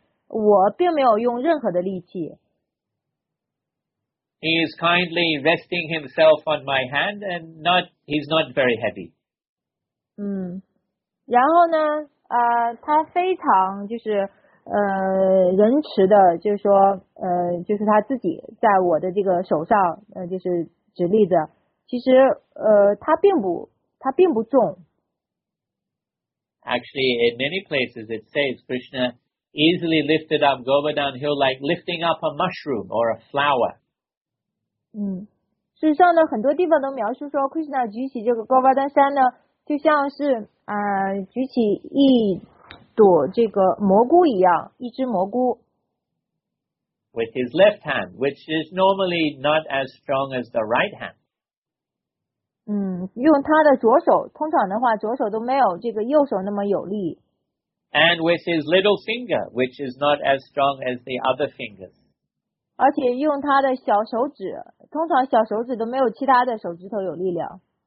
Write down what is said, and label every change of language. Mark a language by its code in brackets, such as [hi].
[zh] 我并没有用任何的力气。 [en] He is kindly resting himself on my hand, and he's not very heavy. [zh] 然后呢他非常就是仁慈的就是说就是他自己在我的这个手上就是直立着其实他并不重。 [en] Actually, in many places it says Krishna easily lifted up Govardhan Hill like lifting up a mushroom or a flower. [zh] 事实上呢很多地方都描述说 Krishna 举起这个戈巴丹山呢就像是举起一朵这个蘑菇一样，一只蘑菇。 [en] With his left hand, which is normally not as strong as the right hand. [zh] 用他的左手，通常的话，左手都没有这个右手那么有力。 [en] And with his little finger, which is not as strong as the other fingers. [zh] 而且用他的小手指，通常小手指都没有其他的手指头有力量。